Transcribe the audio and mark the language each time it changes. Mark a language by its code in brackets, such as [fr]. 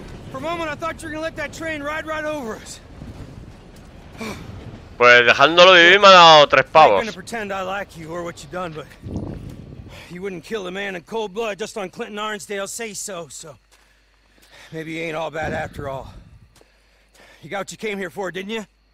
[en] For a moment, I thought you were gonna let that train ride right over us. [es] Pues dejándolo vivir me ha dado tres pavos. [en] I'm gonna pretend I like you or what you've done, but you wouldn't kill a man in cold blood just on Clinton Arnsdale's say so. So maybe you ain't all bad after all. You got what you came here for, didn't you?